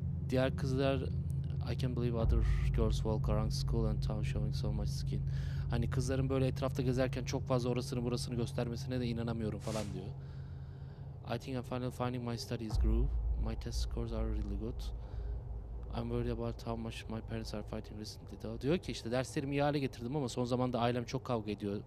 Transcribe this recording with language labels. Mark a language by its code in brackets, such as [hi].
[tr] Diğer kızlar, [en] I can't believe other girls walk around school and town showing so much skin. [tr] Hani kızların böyle etrafta gezerken çok fazla orasını burasını göstermesine de inanamıyorum falan diyor. [en] I think I'm finally finding my studies groove. My test scores are really good. I'm worried about how much my parents are fighting recently. [tr] Diyor ki işte derslerimi iyi hale getirdim ama son zamanda ailem çok kavga ediyor.